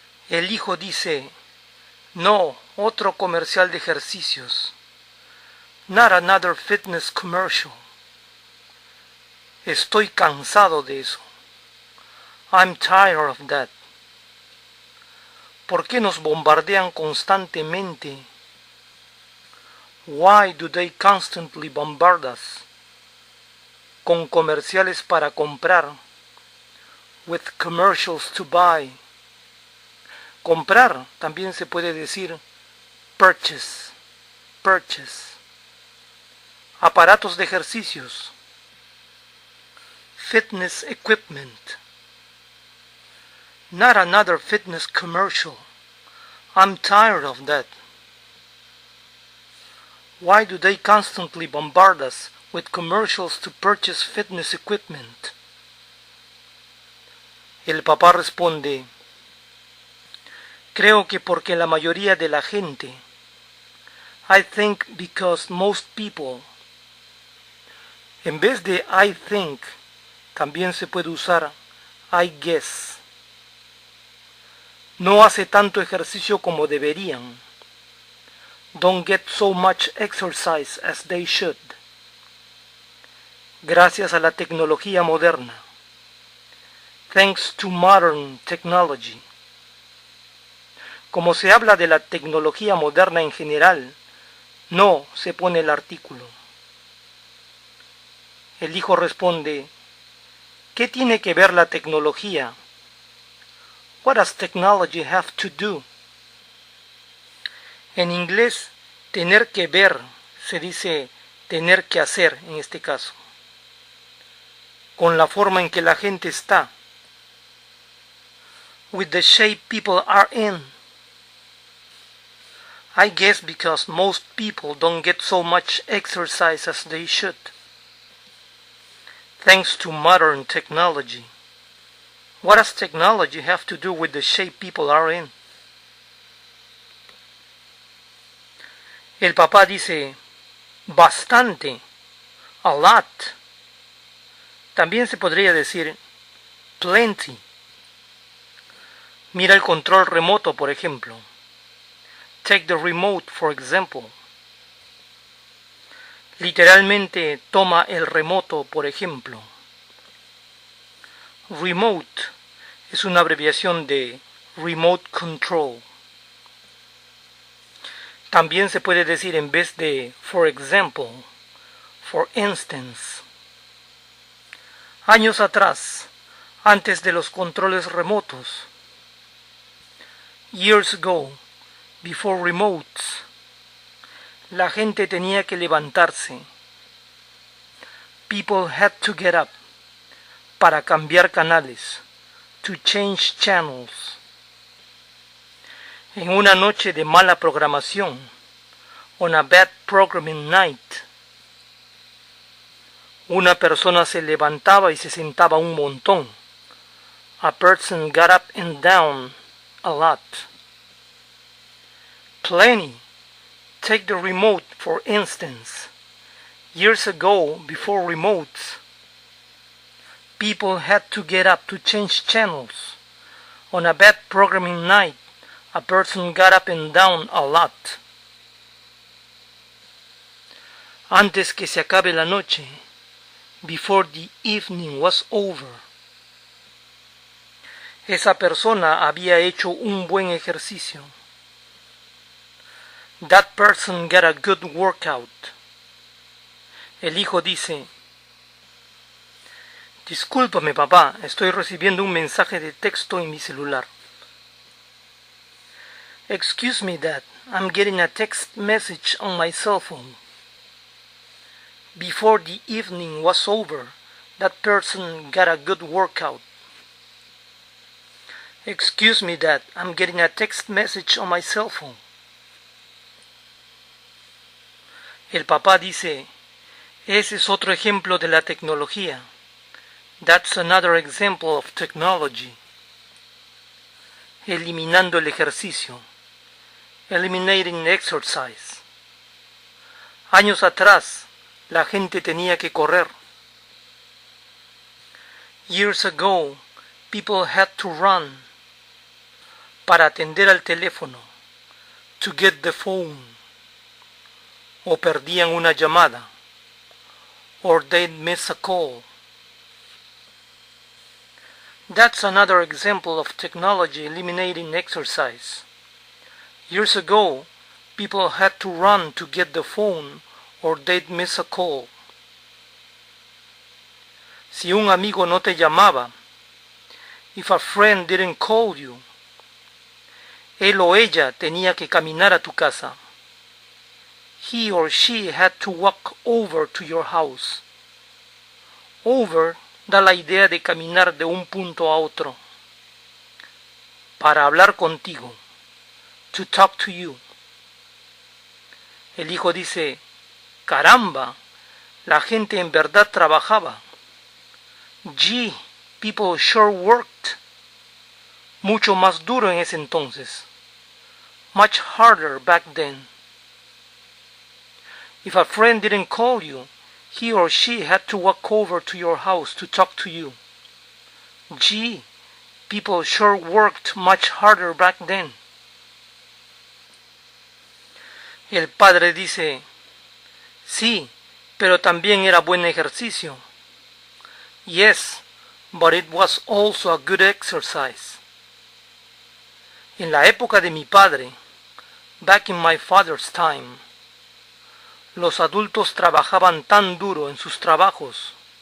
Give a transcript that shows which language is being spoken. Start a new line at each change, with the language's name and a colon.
Spanish: El hijo dice: "No, otro comercial de ejercicios.
English: Not another fitness commercial.
Spanish: Estoy cansado de eso.
English: I'm tired of that.
Spanish: ¿Por qué nos bombardean constantemente?
English: Why do they constantly bombard us?
Spanish: Con comerciales para comprar.
English: With commercials to buy."
Spanish: Comprar también se puede decir purchase, purchase. Aparatos de ejercicios.
English: Fitness equipment. Not another fitness commercial. I'm tired of that. Why do they constantly bombard us with commercials to purchase fitness equipment?
Spanish: El papá responde: "Creo que porque la mayoría de la gente,
English: I think because most people."
Spanish: En vez de I think, también se puede usar I guess. No hace tanto ejercicio como deberían.
English: Don't get so much exercise as they should.
Spanish: Gracias a la tecnología moderna.
English: Thanks to modern technology.
Spanish: Como se habla de la tecnología moderna en general, no se pone el artículo. El hijo responde: "¿Qué tiene que ver la tecnología?
English: What does technology have to do?"
Spanish: En inglés, tener que ver se dice tener que hacer en este caso. Con la forma en que la gente está.
English: With the shape people are in. I guess because most people don't get so much exercise as they should. Thanks to modern technology. What does technology have to do with the shape people are in?
Spanish: El papá dice: "Bastante."
English: A lot.
Spanish: También se podría decir plenty. Mira el control remoto, por ejemplo.
English: Take the remote, for example.
Spanish: Literalmente, toma el remoto, por ejemplo. Remote es una abreviación de remote control. También se puede decir en vez de for example, for instance. Años atrás, antes de los controles remotos.
English: Years ago. Before remotes,
Spanish: la gente tenía que levantarse.
English: People had to get up
Spanish: para cambiar canales,
English: to change channels.
Spanish: En una noche de mala programación,
English: on a bad programming night,
Spanish: una persona se levantaba y se sentaba un montón.
English: A person got up and down a lot. Plenty. Take the remote, for instance. Years ago, before remotes, people had to get up to change channels. On a bad programming night, a person got up and down a lot.
Spanish: Antes que se acabe la noche,
English: before the evening was over,
Spanish: esa persona había hecho un buen ejercicio.
English: That person got a good workout.
Spanish: El hijo dice: "Discúlpame, papá, estoy recibiendo un mensaje de texto en mi celular."
English: Excuse me, Dad, I'm getting a text message on my cell phone. Before the evening was over, that person got a good workout. Excuse me, Dad, I'm getting a text message on my cell phone.
Spanish: El papá dice: "Ese es otro ejemplo de la tecnología."
English: That's another example of technology.
Spanish: Eliminando el ejercicio.
English: eliminating exercise.
Spanish: Años atrás, la gente tenía que correr.
English: Years ago, people had to run
Spanish: para atender al teléfono,
English: to get the phone,
Spanish: o perdían una llamada,
English: or they'd miss a call. That's another example of technology eliminating exercise. Years ago, people had to run to get the phone, or they'd miss a call.
Spanish: Si un amigo no te llamaba,
English: if a friend didn't call you,
Spanish: él o ella tenía que caminar a tu casa.
English: He or she had to walk over to your house.
Spanish: Over da la idea de caminar de un punto a otro. Para hablar contigo.
English: To talk to you.
Spanish: El hijo dice, caramba, la gente en verdad trabajaba.
English: Gee, people sure worked.
Spanish: Mucho más duro en ese entonces.
English: Much harder back then. If a friend didn't call you, he or she had to walk over to your house to talk to you. Gee, people sure worked much harder back then.
Spanish: El padre dice, sí, pero también era buen ejercicio.
English: Yes, but it was also a good exercise.
Spanish: En la época de mi padre,
English: back in my father's time,
Spanish: los adultos trabajaban tan duro en sus trabajos.